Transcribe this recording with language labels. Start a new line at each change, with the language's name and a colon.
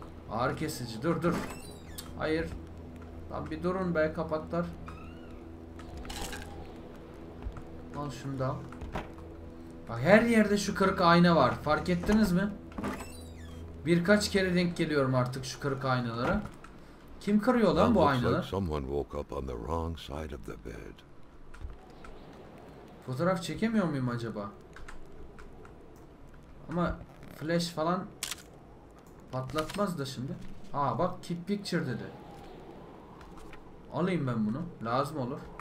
Turkish: Ağır kesici, dur dur. Hayır. Lan bir durun be kapaklar. Al şunu da. Bak her yerde şu kırık ayna var. Fark ettiniz mi? Birkaç kere denk geliyorum artık şu kırık aynalara. Kim kırıyor lan bu aynalar?
English: Someone woke up on the wrong side of the bed.
Turkish: Fotoğraf çekemiyor muyum acaba? Ama flash falan patlatmaz da şimdi. Aa bak,
English: keep picture
Turkish: dedi. Alayım ben bunu. Lazım olur.